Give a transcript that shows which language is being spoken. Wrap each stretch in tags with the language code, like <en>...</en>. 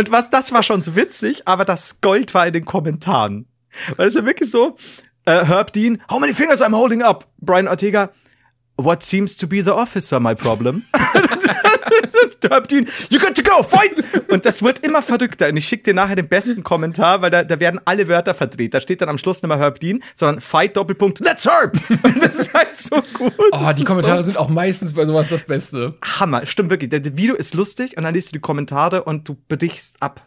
<de>das war schon so witzig, aber das Gold war in den Kommentaren. Weil es war wirklich so,</de> <en>Herb Dean, how many fingers I'm holding up? Brian Ortega, what seems to be the officer, my problem? Turpentin, you got to go, fight!</en> <de>Und das wird immer verrückter. Und ich schicke dir nachher den besten Kommentar, weil da werden alle Wörter verdreht. Da steht dann am Schluss nicht mehr Turpentin, sondern fight, Doppelpunkt,</de> <en>let's herb!</en> <de>Und das ist halt so gut. Oh, die Kommentare sind auch meistens bei sowas das Beste. Hammer, stimmt wirklich. Das Video ist lustig und dann liest du die Kommentare und du brichst ab.</de>